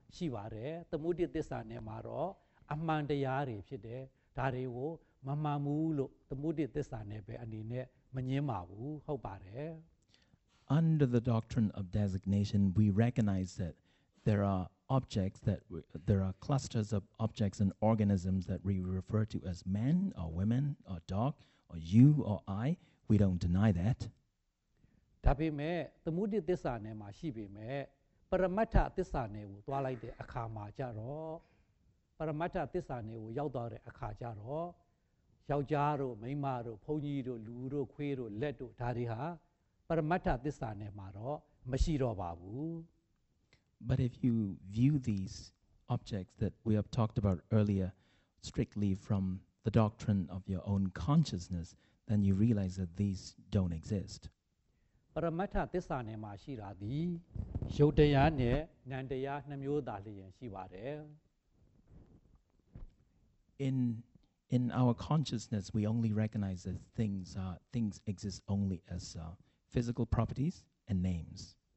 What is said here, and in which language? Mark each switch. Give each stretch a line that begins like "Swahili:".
Burmese: ရှိပါတယ်သမုဒိသစ္စာနဲ့မှာတော့အမှန်တရားတွေဖြစ်တယ်ဒါတွေကိုမမှန်ဘူးလို့သမုဒိသစ္စာနဲ့ပဲအနေနဲ့မငင်းပါဘူးဟုတ်ပါတယ်
English: Under the doctrine of designation we recognize that there are objects that there are clusters of objects and organisms that we refer to as man or women or dog or you or I we don't deny that
Burmese: ဒါပေမဲ့သမုဒိသစ္စာနဲ့မှာရှိပေမဲ့ပရမတ္ထသစ္စာနဲ့ကိုသွားလိုက်တဲ့အခါမှာကြတော့ပရမတ္ထသစ္စာနဲ့ကိုရောက်သွားတဲ့အခါကြတော့ယောက်ျားတို့မိန်းမတို့ဘုန်းကြီးတို့လူတို့ခွေးတို့လက်တို့ဒါတွေဟာပရမတ္ထသစ္စာနဲ့မှာတော့မရှိတော့ပါဘူး
English: But if you view these objects that we have talked about earlier strictly from the doctrine of your own consciousness then you realize that these don't exist
Burmese: ပရမတ္ထသစ္စာနဲ့မှာရှိတာဒီရုပ်တရားနဲ့နာမ်တရားနှစ်မျိုးသာလျှင်ရှိပါတယ်
English: In our consciousness we only recognize that things exist only as physical properties and names